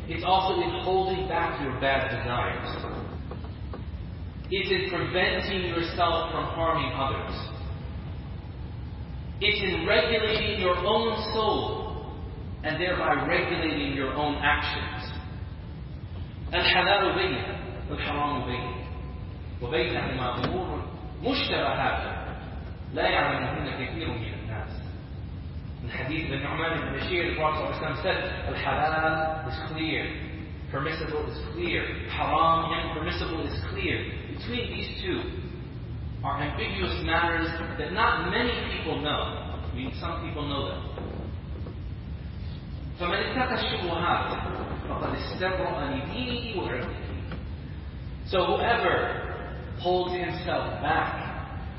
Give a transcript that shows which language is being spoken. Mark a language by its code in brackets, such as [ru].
[en] It's also in holding back your bad desires. It's in preventing yourself from harming others. It's in regulating your own soul, and thereby regulating your own actions. [ar] الحلال بين والحرام بين وبينهما أمور مشتبة هذا لا يعلمهن كثير من الناس. [en] The Hadith of Nu'man ibn Bashir, the Prophet said, Al-halal is clear. Permissible is clear. Haram, impermissible is clear. Between these two are ambiguous matters that not many people know. I mean, some people know them. [ar] فَمَنْ اِتَّقَ الشُّبُهَاتِ فَقَدْ اِسْتَبْرَأَ لِدِينِهِ وَعِرْضِهِ. [en] So whoever holds himself back